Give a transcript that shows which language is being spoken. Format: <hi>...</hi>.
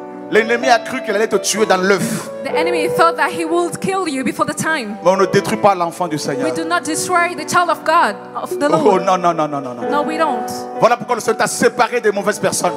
<fr>L'ennemi a cru qu'il allait te tuer dans l'œuf.</fr> <en>The enemy thought that he would kill you before the time.</en> <fr>Mais on ne détruit pas l'enfant du Seigneur.</fr> <en>We do not destroy the child of God, of the Lord.</en> <fr>Oh non, non, non, non, non.</fr> <en>No, we don't.</en> <fr>Voilà pourquoi le Seigneur t'a séparé des mauvaises personnes.</fr>